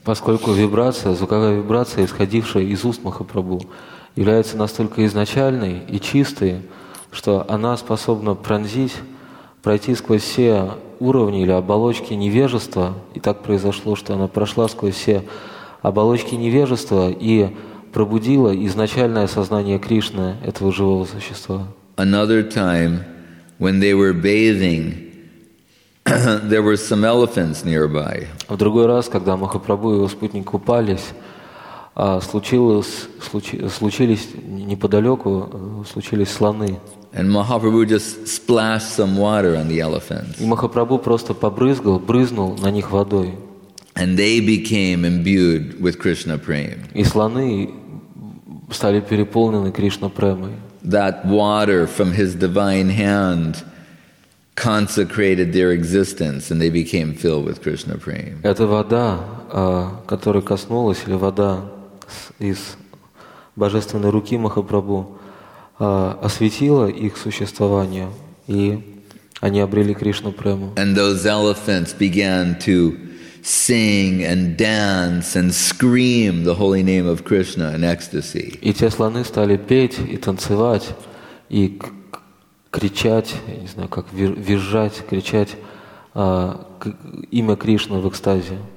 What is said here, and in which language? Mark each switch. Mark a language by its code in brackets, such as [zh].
[ru] Поскольку вибрация, звуковая вибрация, исходившая из уст Махапрабху, является настолько изначальной и чистой, что она способна пронзить, пройти сквозь все уровни или оболочки невежества, и так произошло, что она прошла сквозь все оболочки невежества и пробудила изначальное сознание Кришны, этого живого существа. [en] Another time, when they were bathing, there were some elephants nearby. [ru] В другой раз, когда Махапрабху и его спутник купались, случились неподалеку слоны. [en] And Mahaprabhu just splashed some water on the elephants. [ru] И Махапрабху просто брызнул на них водой. [en] And they became imbued with Krishna Prem. [ru] И слоны стали переполнены Кришна Премой. [en] That water from his divine hand consecrated their existence, and they became filled with Krishna Prem. [ru] Эта вода, которая коснулась, или вода из божественной руки Махапрабху, осветило их существование, и они обрели Кришну Прему. [en] And those elephants began to sing and dance and scream the holy name of Krishna in ecstasy. [ru] И те слоны стали петь и танцевать и кричать, не знаю, как визжать, кричать имя Кришны в экстазе.